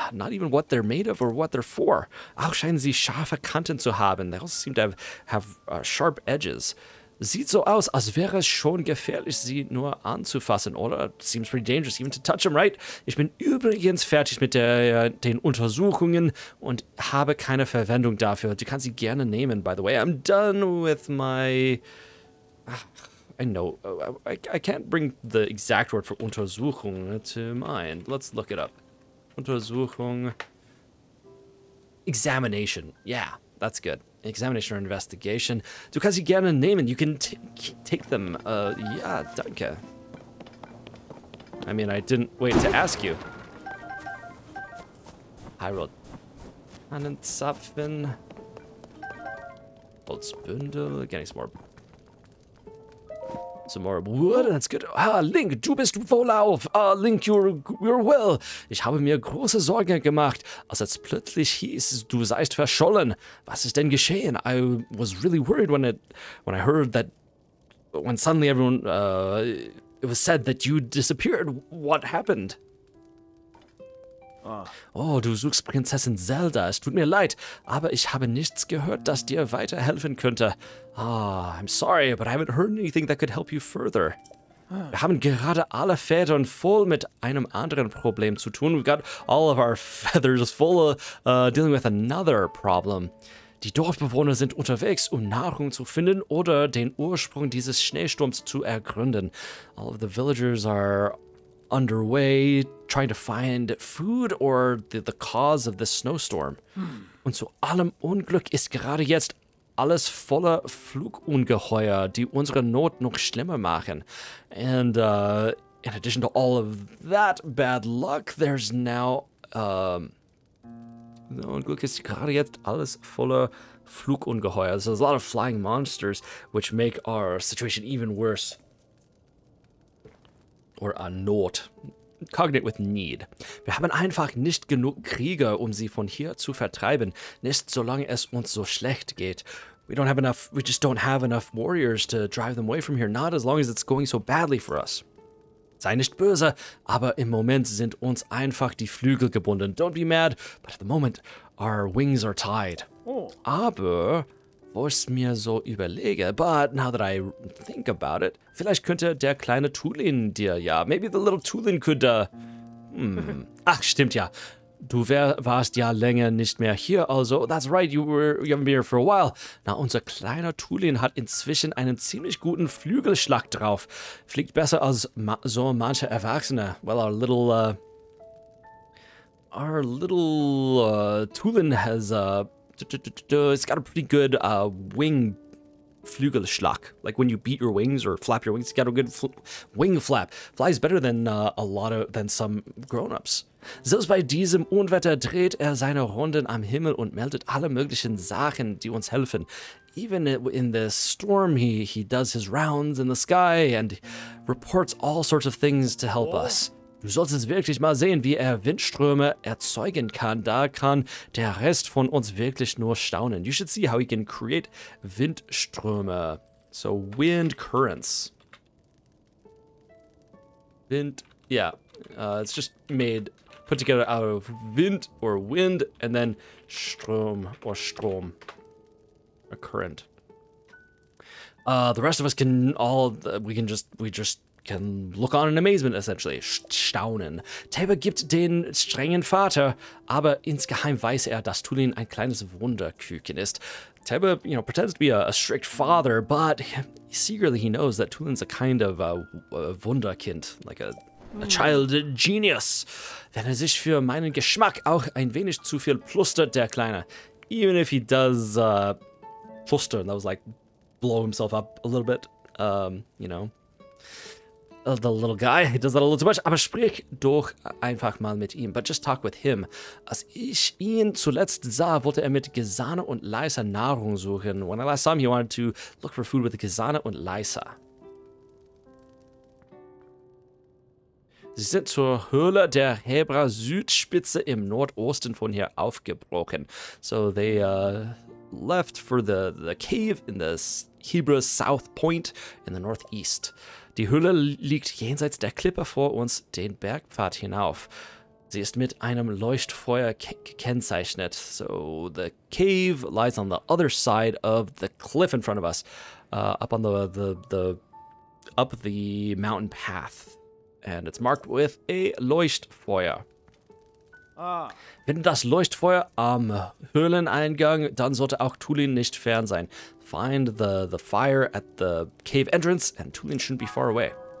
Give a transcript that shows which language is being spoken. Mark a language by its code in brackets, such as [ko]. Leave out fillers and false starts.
[en] Not even what they're made of or what they're for. [de] Auch scheinen sie scharfe Kanten zu haben. [en] They also seem to have sharp edges. [de] Sieht so aus, als wäre es schon gefährlich, sie nur anzufassen, oder? [en] Seems pretty dangerous even to touch them, right? [de] Ich bin übrigens fertig mit den Untersuchungen und habe keine Verwendung dafür. Du kannst sie gerne nehmen, [en] by the way. I'm done with my... I know. I can't bring the exact word for Untersuchung to mind. Let's look it up. Untersuchung. Examination. Yeah, that's good. Examination or investigation. [de] Du kannst sie gerne nehmen. [en] You can take them. Yeah, danke. I mean, I didn't wait to ask you. [de] Hyrule. Tannenzapfen. Holzbündel. [en] Getting some more wood. That's good. [de] Ah, Link, du bist wohlauf. [en] Ah, Link, you're well. [de] Ich habe mir große Sorgen gemacht, als es plötzlich hieß, du seist verschollen. Was ist denn geschehen? [en] I was really worried when suddenly everyone, it was said that you disappeared. What happened? [de] Oh, du suchst Prinzessin Zelda. Es tut mir leid, aber ich habe nichts gehört, das dir weiterhelfen könnte. [en] Ah, I'm sorry, but I haven't heard anything that could help you further. [de] Wir haben gerade alle Federn voll mit einem anderen Problem zu tun. [en] We've got all of our feathers full dealing with another problem. [de] Die Dorfbewohner sind unterwegs, um Nahrung zu finden oder den Ursprung dieses Schneesturms zu ergründen. [en] All of the villagers are underway, trying to find food or the cause of the snowstorm. [de] Hmm. Und zu allem Unglück ist gerade jetzt alles voller Flugungeheuer, die unsere Not noch schlimmer machen. [en] And in addition to all of that bad luck, there's now [de] Unglück ist gerade jetzt alles voller Flugungeheuer. [en] So there's a lot of flying monsters, which make our situation even worse. Or a not. Cognate with need. [de] Wir haben einfach nicht genug Krieger, um sie von hier zu vertreiben. Nicht solange es uns so schlecht geht. [en] We just don't have enough warriors to drive them away from here. Not as long as it's going so badly for us. [de] Sei nicht böse, aber im Moment sind uns einfach die Flügel gebunden. [en] Don't be mad, but at the moment, our wings are tied. [de] Oh. Aber... Wo ich mir so überlege, [en] but now that I think about it, [de] vielleicht könnte der kleine Tulin dir ja, [en] maybe the little Tulin could, [de] ach, stimmt ja, du warst ja länger nicht mehr hier, also, [en] that's right, you haven't been here for a while. [de] Na, unser kleiner Tulin hat inzwischen einen ziemlich guten Flügelschlag drauf, fliegt besser als so manche Erwachsene. [en] Well, our little Tulin has, it's got a pretty good wing Flügelschlag. Like when you beat your wings or flap your wings, it's got a good wing flap. Flies better than some grown-ups. [de] Selbst bei diesem Unwetter dreht seine Runden am Himmel und meldet alle möglichen Sachen, die uns helfen. [en] Even in the storm, he does his rounds in the sky and reports all sorts of things to help us. [de] Du solltest wirklich mal sehen, wie Windströme erzeugen kann. Da kann der Rest von uns wirklich nur staunen. [en] You should see how he can create Windströme. So, wind currents. Wind, yeah. It's just made, put together out of wind or wind and then Strom or Strom. A current. The rest of us can all, we just can look on in amazement, essentially. [de] Staunen. Taber gibt den strengen Vater, aber insgeheim weiß dass Tulin ein kleines Wunderküken ist. [en] Taber, you know, pretends to be a strict father, but secretly he knows that Tulin's a kind of a Wunderkind, like a child genius. [de] Wenn sich für meinen Geschmack auch ein wenig zu viel plustert, der Kleine. [en] Even if he does fluster, that was like blow himself up a little bit, you know. the little guy. He does that a little too much. [de] Aber sprich doch einfach mal mit ihm. [en] But just talk with him. [de] Als ich ihn zuletzt sah, wollte er mit Gesane und Leisa Nahrung suchen. [en] When I last saw him, he wanted to look for food with Gesane und Leisa. [de] Sie sind zur Höhle der Hebra Südspitze im Nordosten von hier aufgebrochen. [en] So they left for the cave in the Hebra South Point in the northeast. [de] Die Höhle liegt jenseits der Klippe vor uns den Bergpfad hinauf. Sie ist mit einem Leuchtfeuer gekennzeichnet. [en] So the cave lies on the other side of the cliff in front of us, up the mountain path. And it's marked with a Leuchtfeuer. Ah. [de] Wenn das Leuchtfeuer am Höhleneingang, dann sollte auch Tulin nicht fern sein. [en] Find the fire at the cave entrance, and Tulin shouldn't be far away.